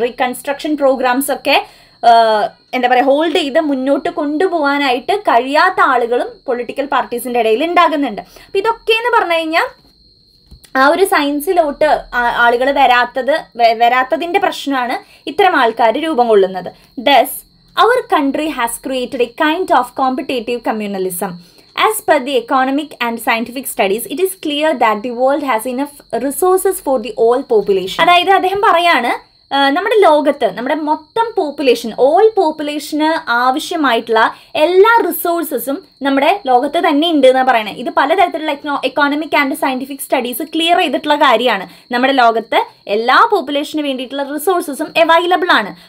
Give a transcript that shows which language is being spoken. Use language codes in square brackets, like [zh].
[ml] Reconstruction programmes ഒക്കെ എന്താ പറയുക, ഹോൾഡ് ചെയ്ത് മുന്നോട്ട് കൊണ്ടുപോകാനായിട്ട് കഴിയാത്ത ആളുകളും പൊളിറ്റിക്കൽ പാർട്ടീസിൻ്റെ ഇടയിൽ ഉണ്ടാകുന്നുണ്ട്. അപ്പം ഇതൊക്കെ എന്ന് പറഞ്ഞു കഴിഞ്ഞാൽ ആ ഒരു സയൻസിലോട്ട് ആളുകൾ വരാത്തതിൻ്റെ പ്രശ്നമാണ് ഇത്തരം ആൾക്കാർ രൂപം കൊള്ളുന്നത്. [en] Does our country has created a kind of competitive communalism. As per the economic and scientific studies, it is clear that the world has enough resources for the all population. [ml] അതായത് അദ്ദേഹം പറയാണ്, നമ്മുടെ ലോകത്ത് നമ്മുടെ മൊത്തം പോപ്പുലേഷൻ, ഓൾ പോപ്പുലേഷന് ആവശ്യമായിട്ടുള്ള എല്ലാ റിസോഴ്സസും നമ്മുടെ ലോകത്ത് തന്നെ ഉണ്ടെന്നാണ് പറയുന്നത്. ഇത് പലതരത്തിലുള്ള economic and scientific studies clear ചെയ്തിട്ടുള്ള കാര്യമാണ്. നമ്മുടെ ലോകത്ത് എല്ലാ പോപ്പുലേഷന് വേണ്ടിയിട്ടുള്ള റിസോഴ്സസും അവൈലബിൾ ആണ്.